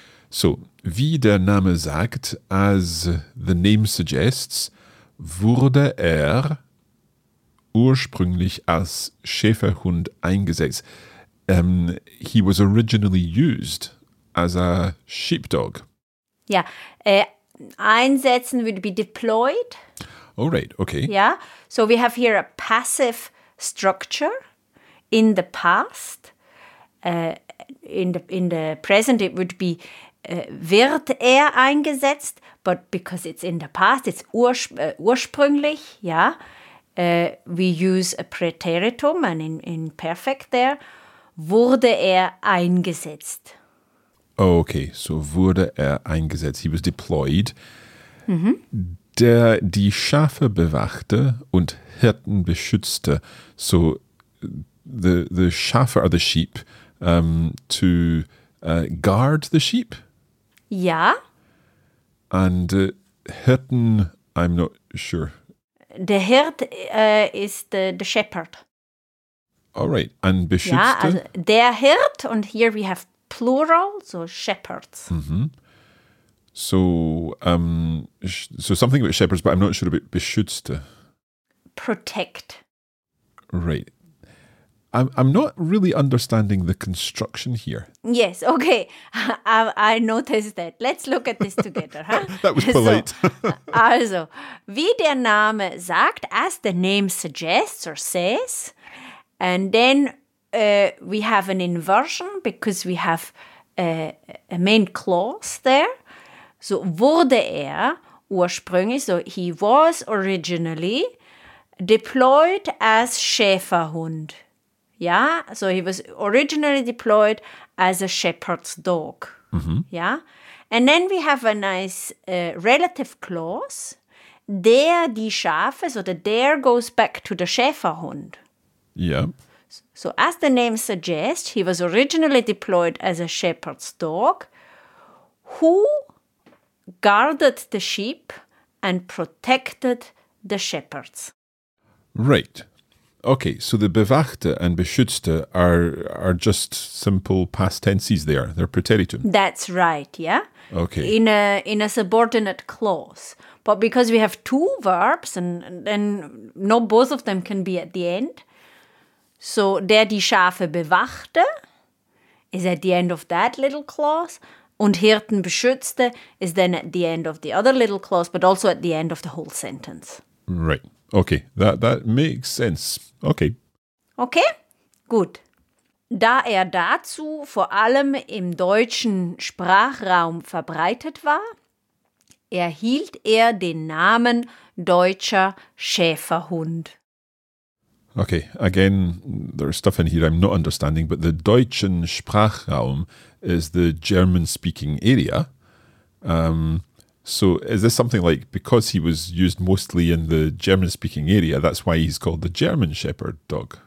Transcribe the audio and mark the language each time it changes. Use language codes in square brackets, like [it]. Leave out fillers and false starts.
[de] So, wie der Name sagt, [en] as the name suggests, [de] wurde er ursprünglich als Schäferhund eingesetzt. [en] He was originally used as a sheepdog. Yeah. Einsetzen would be deployed. Oh, right, okay. Yeah, so we have here a passive structure in the past. In the present, it would be [de] wird er eingesetzt, [en] but because it's in the past, it's ursprünglich, yeah. We use a preteritum, and in perfect there, [de] wurde er eingesetzt. [en] Oh, okay, so [de] wurde er eingesetzt. [en] He was deployed. Mm-hmm. [de] Der die Schafe bewachte und Hirten beschützte. [en] So the Schafe are the sheep to guard the sheep. [de] Ja. [en] And Hirten, I'm not sure. [de] Der Hirt ist [en] the shepherd. All right. And beschützte? [de] Ja, also der Hirt, [en] and here we have plural, so shepherds. Mm-hmm. So something about shepherds, but I'm not sure about beschützte. Protect. Right. I'm not really understanding the construction here. Yes, okay. I noticed that. Let's look at this together. Huh? That was polite. [de] Also, wie der Name sagt, [en] as the name suggests or says. And then we have an inversion because we have a main clause there. So [de] wurde er ursprünglich, [en] so he was originally deployed as Schäferhund. Yeah, so he was originally deployed as a shepherd's dog. Mm-hmm. Yeah, and then we have a nice relative clause. [de] Der die Schafe, [en] so the der goes back to the Schäferhund. Yeah. So as the name suggests, he was originally deployed as a shepherd's dog who guarded the sheep and protected the shepherds. Right. Okay, so the bewachte and beschützte are just simple past tenses there. They're preteritum. That's right, yeah. Okay. In a subordinate clause. But because we have two verbs and not both of them can be at the end. So [de] der die Schafe bewachte [en] is at the end of that little clause. [de] Und Hirten beschützte [en] is then at the end of the other little clause, but also at the end of the whole sentence. Right. Okay, that makes sense. Okay. [de] Okay, gut. Da er dazu vor allem im deutschen Sprachraum verbreitet war, erhielt er den Namen deutscher Schäferhund. [en] Okay, again, there's stuff in here I'm not understanding, but the deutschen Sprachraum is the German-speaking area. So is this something like, because he was used mostly in the German-speaking area, that's why he's called the German Shepherd Dog?